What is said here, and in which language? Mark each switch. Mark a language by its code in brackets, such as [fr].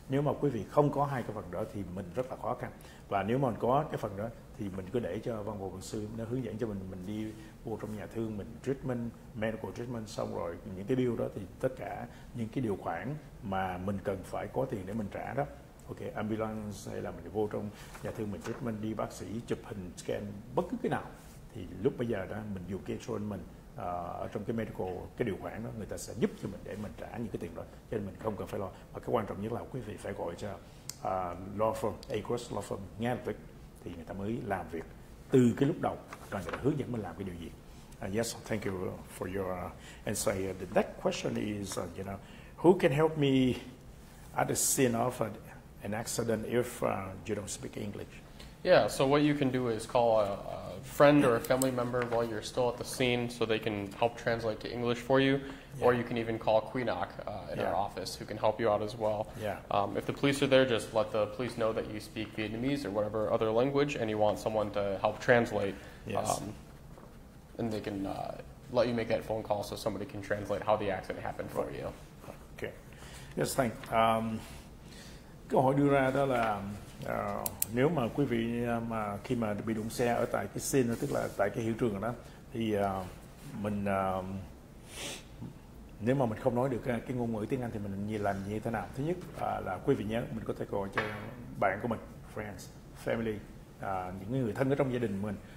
[vi] Nếu mà quý vị không có hai cái phần đó thì mình rất là khó khăn. Và nếu mà mình có cái phần đó thì mình cứ để cho văn phòng luật sư nó hướng dẫn cho mình đi vô trong nhà thương, mình treatment, medical treatment xong rồi những cái bill đó, thì tất cả những cái điều khoản mà mình cần phải có tiền để mình trả đó, ok, ambulance hay là mình vô trong nhà thương mình treatment, đi bác sĩ chụp hình scan bất cứ cái nào, thì lúc bây giờ đó mình dùng cái insurance mình ở trong cái medical, cái điều khoản đó, người ta sẽ giúp cho mình để mình trả những cái tiền đó, cho nên mình không cần phải lo. Và cái quan trọng nhất là quý vị phải gọi cho law firm, Acres law firm ngay lập tức, thì người ta mới làm việc từ cái lúc đầu, còn người ta hướng dẫn mình làm cái điều gì. [en] Yes, thank you for your answer. The next question is, you know, who can help me at the scene of an accident if you don't speak English? Yeah, so what you can do is call a friend or a family member while you're still at the scene so they can help translate to English for you. Yeah. Or you can even call Quinoc in our office, who can help you out as well. Yeah. If the police are there, just let the police know that you speak Vietnamese or whatever other language and you want someone to help translate. Yes. And they can let you make that phone call so somebody can translate how the accident happened for you. Okay. Yes, thank you. [vi] Câu hỏi đưa ra đó là nếu mà quý vị mà khi mà bị đụng xe ở tại cái scene, tức là tại cái hiện trường đó, thì mình nếu mà mình không nói được cái ngôn ngữ tiếng Anh thì mình nên làm như thế nào? Thứ nhất là quý vị nhớ mình có thể gọi cho bạn của mình, friends, family, những người thân ở trong gia đình mình,